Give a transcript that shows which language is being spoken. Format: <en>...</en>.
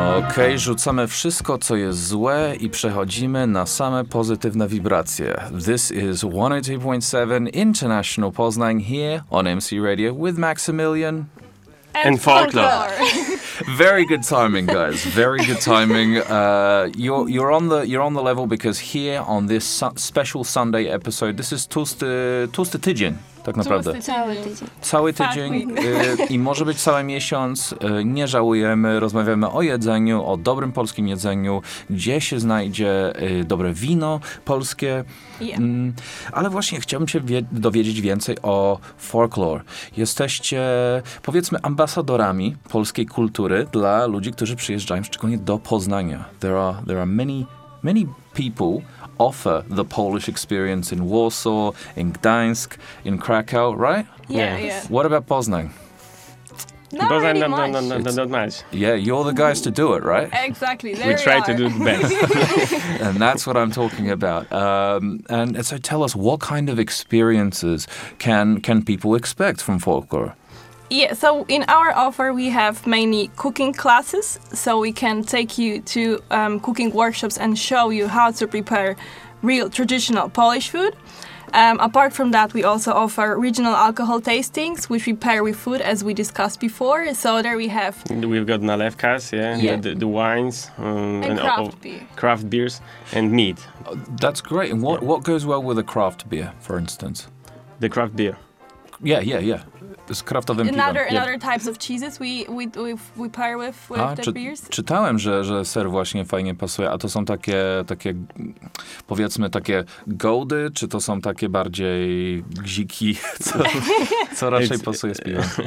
<pl>Okej, rzucamy wszystko, co jest złe i przechodzimy na same pozytywne wibracje.</pl> <en>This is 102.7 International Poznań here on MC Radio with Maximilian and Forklore. Very good timing, guys. Very good timing. You're on the level because here on this special Sunday episode, this is Tłusty Tydzień.</en> <pl>tak naprawdę. Cały tydzień. I może być cały miesiąc. Nie żałujemy. Rozmawiamy o jedzeniu, o dobrym polskim jedzeniu. Gdzie się znajdzie dobre wino polskie.</pl> <en>Yeah.</en> <pl>Ale właśnie chciałbym się dowiedzieć więcej o Forklore. Jesteście, powiedzmy, ambasadorami polskiej kultury dla ludzi, którzy przyjeżdżają szczególnie do Poznania.</pl> <en>There are many people offer the Polish experience in Warsaw, in Gdańsk, in Krakow, right? Yeah. What about Poznań? Not really much. Yeah, you're the guys to do it, right? Exactly. We try to do the best. And that's what I'm talking about. And so tell us, what kind of experiences can people expect from Forklore? Yeah, so in our offer we have mainly cooking classes, so we can take you to cooking workshops and show you how to prepare real traditional Polish food. Apart from that, we also offer regional alcohol tastings, which we pair with food, as we discussed before. So there we have... We've got nalewkas, the wines. And craft beers and meat. That's great. And what goes well with a craft beer, for instance? The craft beer. Yeah.</en> <pl>Z kraftowym piwem.</pl> <en>Another types of cheeses we pair with the beers.</en> <pl>Czytałem, że ser właśnie fajnie pasuje, a to są takie powiedzmy takie goldy, czy to są takie bardziej gziki, co raczej pasuje z piwem?</pl>